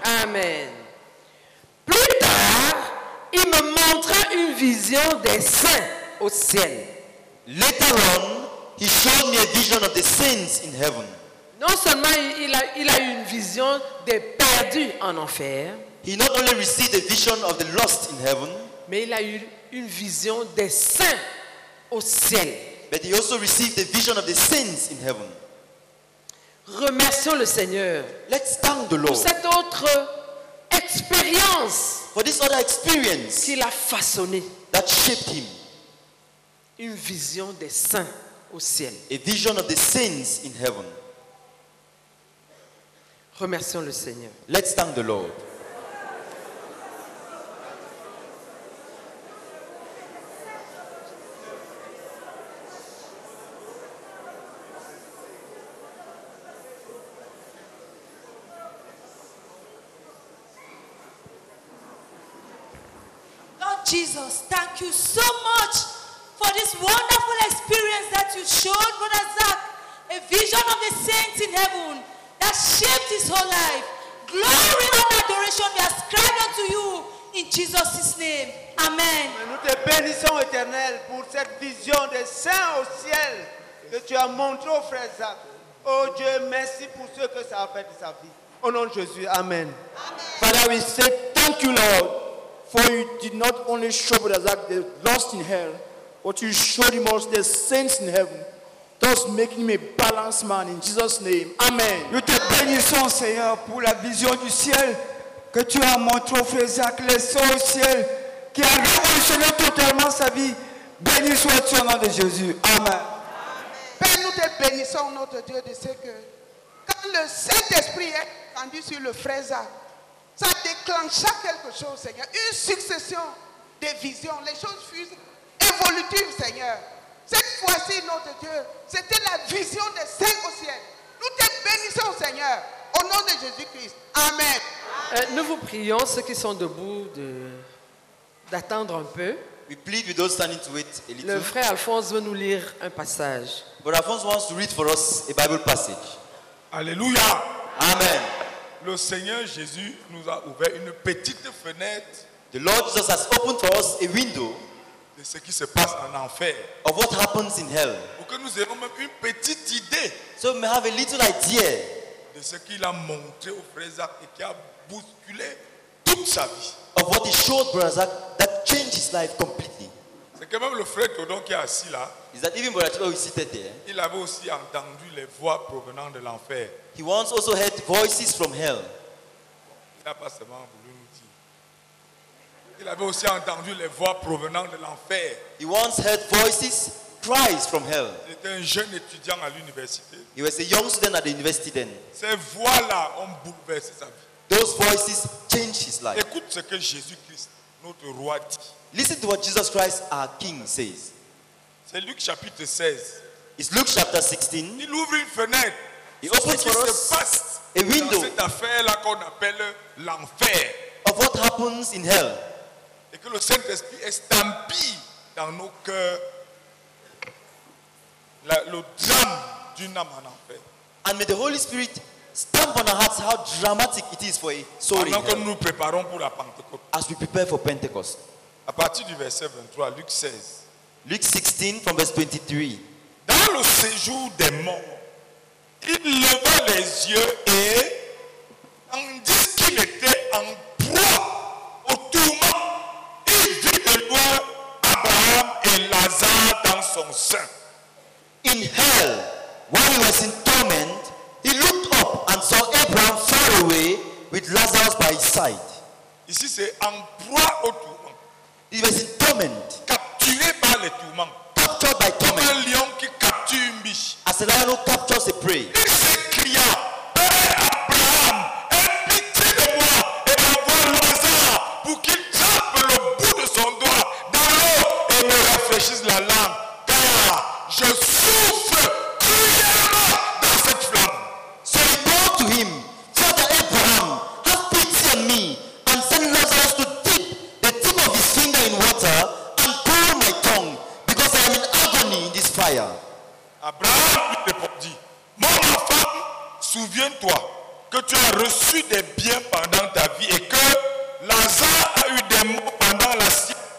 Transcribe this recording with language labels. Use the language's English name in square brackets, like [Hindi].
[English] Amen. [French] Plus tard, il me montra une vision des saints au ciel. [English] Later on, he showed me a vision of the saints in heaven. [French] Non seulement il a eu une vision des perdus en enfer, [English] he not only received a vision of the lost in heaven, [French] mais il a eu une vision des saints au ciel. [English] But he also received a vision of the saints in heaven. [French] Remercions le Seigneur. [English] Let's thank the Lord. [French] Pour cette autre expérience. [English] For this other experience. [French] Qu'il a façonné. [English] That shaped him. [French] Une vision des saints au ciel. [English] A vision of the saints in heaven. [French] Remercions le Seigneur. [English] Let's thank the Lord. Jesus, thank you so much for this wonderful experience that you showed Brother Zach, a vision of the saints in heaven that shaped his whole life. Glory and adoration be ascribed unto you in Jesus' name. Amen. [French] Nous te bénissons éternel pour cette vision des saints au ciel que tu as montré au frère Zach. Oh Dieu, merci pour ce que ça a fait de sa vie. Au nom de Jésus, amen. Amen. [English] Father, we say thank you, Lord. For you did not only show Brother Zach the lost in hell, but you showed him also the saints in heaven, thus making him a balanced man in Jesus' name. Amen. [French] Nous te bénissons, Seigneur, pour la vision du ciel que tu as montré au frère Zach, le saint au ciel, qui a révolutionné totalement sa vie. Béni sois-tu au nom de Jésus. Amen. Père, nous te bénissons, notre Dieu, de ce que quand le Saint-Esprit est tendu sur le frère Zach, ça déclencha quelque chose, Seigneur. Une succession de visions. Les choses furent évolutives, Seigneur. Cette fois-ci, notre Dieu, c'était la vision des saints au ciel. Nous te bénissons, Seigneur, au nom de Jésus-Christ. Amen. Nous vous prions, ceux qui sont debout, d'attendre un peu. [English] We plead with those standing to wait a little. [French] Le frère Alphonse veut nous lire un passage. [English] But Alphonse wants to read for us a Bible passage. [French] Alléluia. Amen. Le Seigneur Jésus nous a ouvert une petite fenêtre. [English] The Lord Jesus has opened for us a window. [French] De ce qui se passe en enfer. [English] Of what happens in hell. [French] Pour que nous ayons même une petite idée. [English] So we may have a little idea. [French] De ce qu'il a montré au frère Zach et qui a bousculé toute sa vie. [English] Of what he showed Brother Zach that changed his life completely. [French] C'est que même le frère Todon qui est assis là, il a dit même relativement où il s'était. Il avait aussi entendu les voix provenant de l'enfer. [English] He once also heard voices from hell. [French] Il n'a pas seulement voulu nous dire. Il avait aussi entendu les voix provenant de l'enfer. [English] He once heard voices, cries from hell. [French] Il était un jeune étudiant à l'université. [English] He was a young student at the university then. [French] Ces voix-là ont bouleversé sa vie. [English] Those voices changed his life. [French] Écoute ce que Jésus-Christ, notre roi, dit. [English] Listen to what Jesus Christ, our King, says. [French] C'est Luc chapitre 16. [English] It's Luke chapter 16. [French] Il ouvre une fenêtre. [English] He opens for us a window [French] dans cette affaire-là qu'on appelle l'enfer. [English] Of what happens in hell. [French] Et que le Saint-Esprit estampille dans nos cœurs le drame d'une âme en enfer. [English] And may the Holy Spirit stamp on our hearts how dramatic it is for a soul in hell. [French] Que nous préparons pour la Pentecôte. [English] As we prepare for Pentecost. [French] À partir du verset 23, Luc 16. [English] Luke 16, from verse 23. [French] Dans le séjour des morts, il leva les yeux et tandis qu'il était en proie au tourment, il vit de loin Abraham et Lazare dans son sein. [English] In hell, while he was in torment, he looked up and saw Abraham far away with Lazarus by his side. [French] Ici, c'est en proie au tourment. [English] He was in torment. [French] Capturé par les tourments. [English] Captured by torment. [French] Comme un lion qui capture une biche. [English] As a lion captures a prey. [French] Il s'écria, Père Abraham, aie pitié de moi et envoie Lazare pour qu'il tape le bout de son doigt dans l'eau et me rafraîchisse la langue. Je souffre cruellement dans cette flamme. [English] So he called to him, Father Abraham, have pity on me and send Lazarus to dip the tip of his finger in water and cool my tongue because I am in agony in this fire. [French] Abraham lui répondit, mon enfant, souviens-toi que tu as reçu des biens pendant ta vie et que Lazare a eu des maux pendant la sienne.